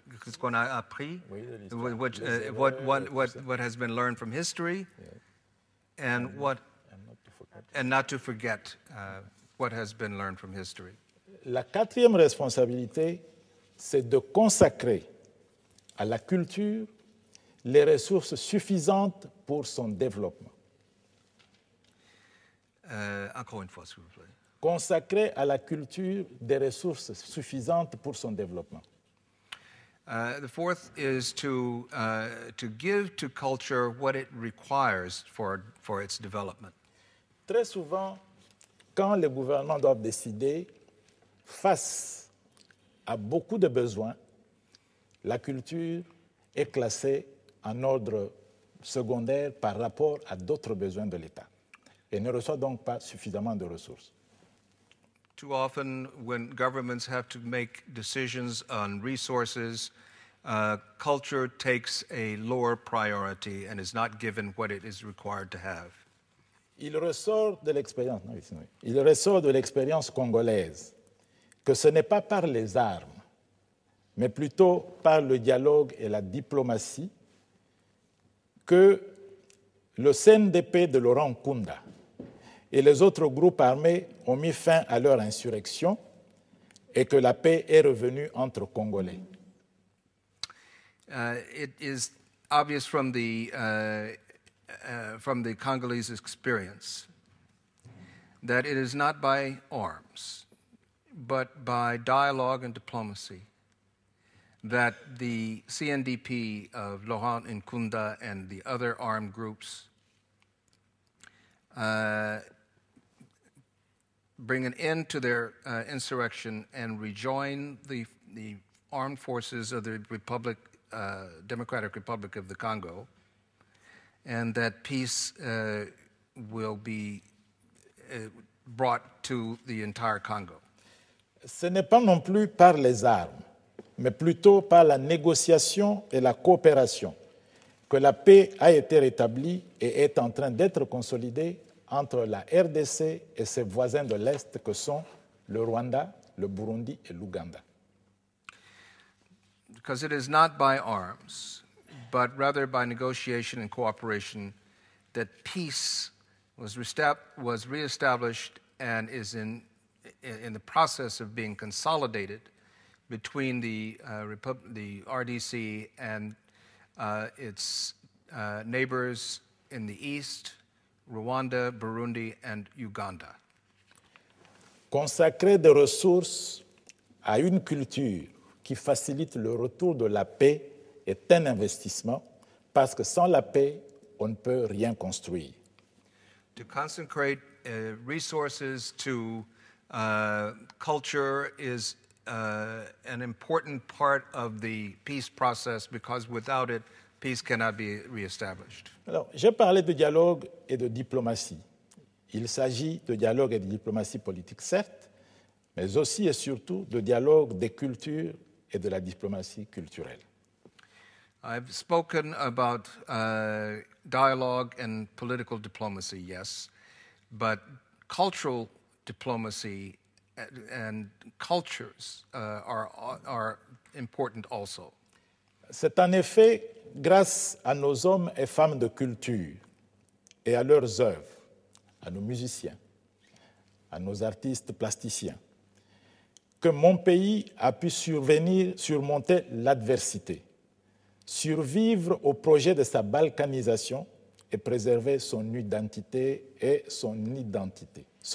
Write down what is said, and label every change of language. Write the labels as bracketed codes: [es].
[fr] ce qu'on a appris, [en] what has been learned from history, and not to forget what has been learned from history. [fr] La quatrième responsabilité, c'est de consacrer à la culture les ressources suffisantes pour son développement. Encore une fois, s'il vous plaît. Consacrer à la culture des ressources suffisantes pour son développement. [en] The fourth is to give to culture what it requires for its development. [fr] Très souvent, quand les gouvernements doivent décider face à beaucoup de besoins, la culture est classée en ordre secondaire par rapport à d'autres besoins de l'État et ne reçoit donc pas suffisamment de ressources. [en] Too often, when governments have to make decisions on resources, culture takes a lower priority and is not given what it is required to have. [fr] Il ressort de l'expérience congolaise que ce n'est pas par les armes, mais plutôt par le dialogue et la diplomatie que le CNDP de Laurent Kunda et les autres groupes armés ont mis fin à leur insurrection et que la paix est revenue entre Congolais. [en] It is obvious from the Congolese experience that it is not by arms, but by dialogue and diplomacy that the CNDP of Laurent Nkunda and the other armed groups bring an end to their insurrection and rejoin the armed forces of the Democratic Republic of the Congo, and that peace will be brought to the entire Congo. [fr] Ce n'est pas non plus par les armes, mais plutôt par la négociation et la coopération que la paix a été rétablie et est en train d'être consolidée entre la RDC et ses voisins de l'Est que sont le Rwanda, le Burundi et l'Ouganda. [en] Because it is not by arms, but rather by negotiation and cooperation that peace was reestablished and is in the process of being consolidated between the RDC and its neighbors in the East, Rwanda, Burundi, and Uganda. [fr] Consacrer des ressources à une culture qui facilite le retour de la paix est un investissement parce que sans la paix, on ne peut rien construire. [en] To consecrate resources to culture is an important part of the peace process because without it, peace cannot be reestablished. [fr] Alors, j'ai parlé de dialogue et de diplomatie. Il s'agit de dialogue et de diplomatie politique, certes, mais aussi et surtout de dialogue des cultures et de la diplomatie culturelle. [en] I've spoken about dialogue and political diplomacy, yes, but cultural diplomacy and cultures are important also. [fr] C'est en effet grâce à nos hommes et femmes de culture et à leurs œuvres, à nos musiciens, à nos artistes plasticiens, que mon pays a pu surmonter l'adversité, survivre au projet de sa balkanisation et préserver son unité et son identité.